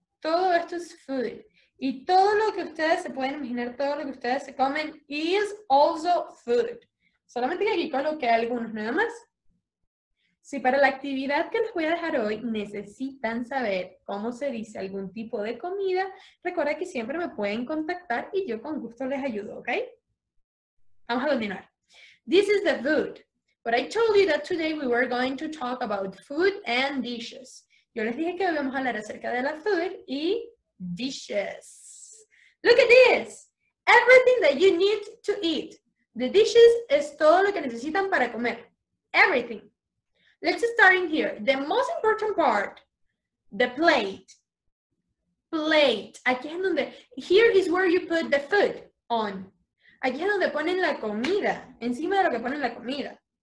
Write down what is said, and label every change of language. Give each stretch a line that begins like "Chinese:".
Spanish: Todo esto es food. Y todo lo que ustedes se pueden imaginar, todo lo que ustedes se comen,
English: is also food.
Spanish: Solamente que aquí coloqué algunos nada más. Si para la actividad que les voy a dejar hoy necesitan saber cómo se dice algún tipo de comida, recuerda que siempre me pueden contactar y yo con gusto les ayudo, ¿ok? Vamos a continuar.
English: This is the food. But I told you that today we were going to talk about food and dishes.
Spanish: Yo les dije que hoy vamos a hablar acerca de la food y dishes.
English: Look at this. Everything that you need to eat.
Spanish: The dishes es todo lo que necesitan para comer. Everything.
English: Let's start in here. The most important part, the plate. Plate.
Spanish: Aquí es donde,
English: here is where you put the food on.
Spanish: Aquí es donde ponen la comida, encima de lo que ponen la comida.